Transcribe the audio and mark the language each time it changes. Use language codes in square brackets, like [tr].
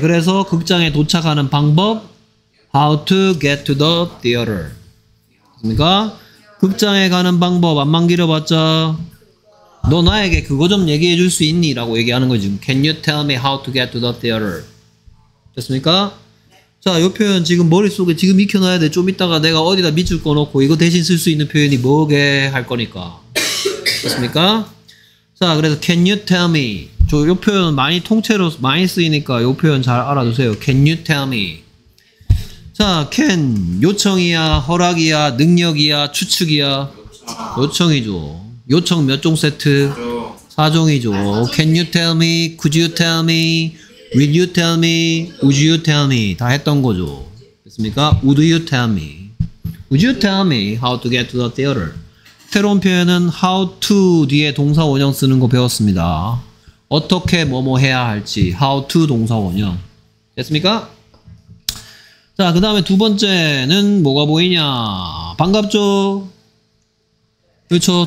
[ko] 그래서 극장에 도착하는 방법. [en] How to get to the theater. [ko] 그러니까 극장에 가는 방법 안만 길어봤자 너 나에게 그거 좀 얘기해 줄 수 있니? 라고 얘기하는 거지. [en] Can you tell me how to get to the theater? [ko] 됐습니까? 자, 요 표현 지금 머릿속에 지금 익혀놔야 돼. 좀 이따가 내가 어디다 밑줄 꺼놓고 이거 대신 쓸 수 있는 표현이 뭐게 할 거니까. 됐습니까? 자, 그래서 [en] Can you tell me? [ko] 저 요 표현 많이 통째로 많이 쓰이니까 요 표현 잘 알아두세요. [en] Can you tell me? [ko] 자, can 요청이야, 허락이야, 능력이야, 추측이야? 요청이죠. 요청 몇 종 세트? 4종이죠. [en] Can you tell me? Could you tell me? Will you tell me? Would you tell me? [ko] 다 했던 거죠. 됐습니까? [en] Would you tell me? Would you tell me how to get to the theater? [ko] 새로운 표현은 how to 뒤에 동사원형 쓰는 거 배웠습니다. 어떻게 뭐뭐 해야 할지. How to 동사원형. 됐습니까? 자, 그 다음에 두 번째는 뭐가 보이냐. 반갑죠? 그렇죠.